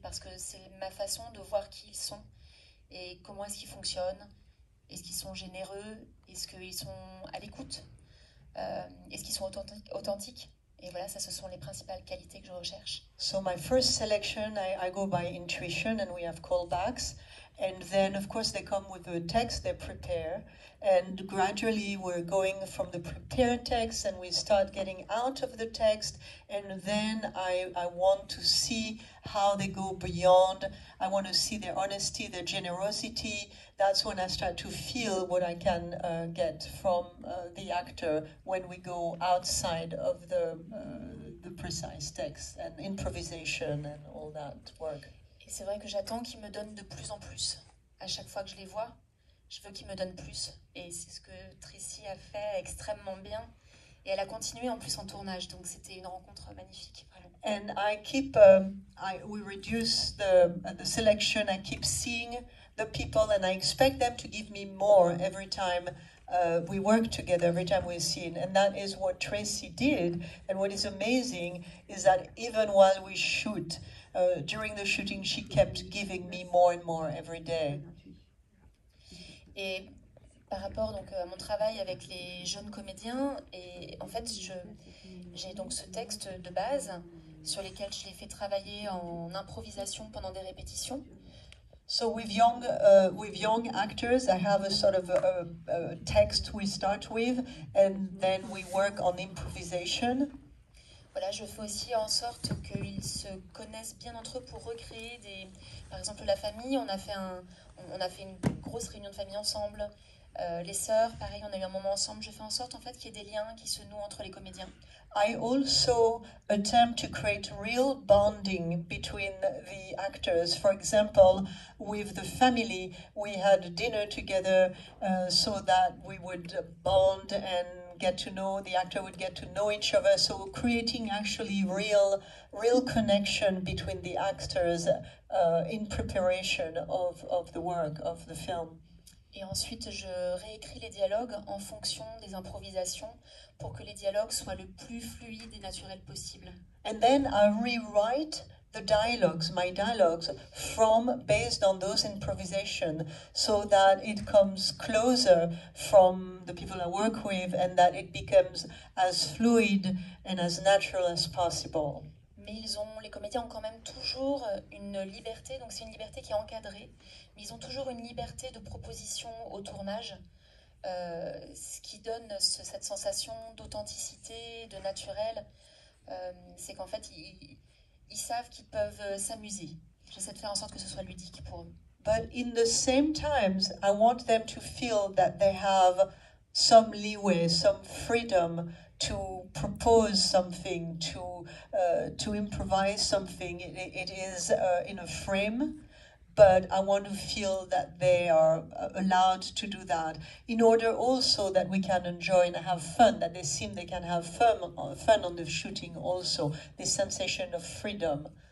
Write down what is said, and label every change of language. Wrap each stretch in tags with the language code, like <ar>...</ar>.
<fr>Parce que c'est ma façon de voir qui ils sont. Et comment est-ce qu'ils fonctionnent. Est-ce qu'ils sont généreux? Est-ce qu'ils sont à l'écoute? Est-ce qu'ils sont authentiques? Et voilà, ça, ce sont les principales qualités que je recherche.</fr> <en>So my first selection, I go by intuition and we have callbacks. And then, of course, they come with a text, they prepare. And gradually, we're going from the prepared text and we start getting out of the text. And then I want to see how they go beyond. I want to see their honesty, their generosity. That's when I start to feel what I can get from the actor when we go outside of the precise text and improvisation and all that work.</en> <fr>C'est vrai que j'attends qu'ils me donnent de plus en plus. À chaque fois que je les vois, je veux qu'ils me donnent plus. Et c'est ce que Tracy a fait extrêmement bien. Et elle a continué en plus en tournage. Donc c'était une rencontre magnifique, vraiment.</fr> <en>And I keep, we reduce the selection. I keep seeing the people and I expect them to give me more every time we work together, every time we're seen. And that is what Tracy did. And what is amazing is that even while we shoot, during the shooting, she kept giving me more and more every day.</en> <fr>Et par rapport donc à mon travail avec les jeunes comédiens, et en fait j'ai donc ce texte de base sur lequel je les fais travailler en improvisation pendant des répétitions.</fr> <en>So with young actors, I have a sort of a text we start with, and then we work on improvisation.</en> <fr>Voilà, je fais aussi en sorte qu'ils se connaissent bien entre eux pour recréer des. Par exemple, la famille, on a fait une grosse réunion de famille ensemble. Les sœurs, pareil, on a eu un moment ensemble. Je fais en sorte en fait qu'il y ait des liens qui se nouent entre les comédiens.</fr> <en>I also attempt to create real bonding between the actors. For example, with the family, we had dinner together so that we would bond and get to know, the actor would get to know each other. So creating actually real connection between the actors in preparation of the work of the film.</en> <fr>Et ensuite, je réécris les dialogues en fonction des improvisations pour que les dialogues soient le plus fluides et naturels possible.</fr> <en>And then I rewrite the dialogues, my dialogues, from based on those improvisation, so that it comes closer from the people I work with and that it becomes as fluid and as natural as possible.</en> <fr>Mais les comédiens ont quand même toujours une liberté, donc c'est une liberté qui est encadrée, mais ils ont toujours une liberté de proposition au tournage, ce qui donne cette sensation d'authenticité, de naturel, c'est qu'en fait, ils savent qu'ils peuvent s'amuser. J'essaie de faire en sorte que ce soit ludique pour eux.</fr> <en>But in the same times, I want them to feel that they have some leeway, some freedom to propose something, to improvise something. It is in a frame, but I want to feel that they are allowed to do that in order also that we can enjoy and have fun, that they seem they can have fun on the shooting also, the sensation of freedom.</en>